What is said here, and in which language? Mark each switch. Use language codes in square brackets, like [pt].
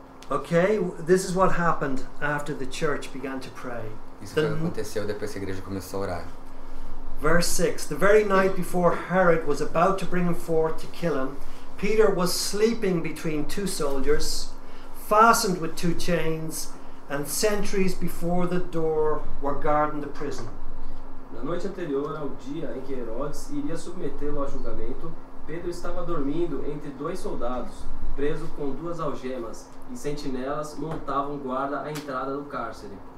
[en] Okay, this is what happened after the church began to pray. [pt] Isso foi o que aconteceu depois que a igreja começou a orar. [en] Verse 6. The very night before Herod was about to bring him forth to kill him, Peter was sleeping between two soldiers, fastened with two chains, and sentries before the door were guarding the prison. [pt] Na noite anterior ao dia em que Herodes iria submetê-lo ao julgamento, Pedro estava dormindo entre dois soldados, preso com duas algemas, e sentinelas montavam guarda à entrada do cárcere.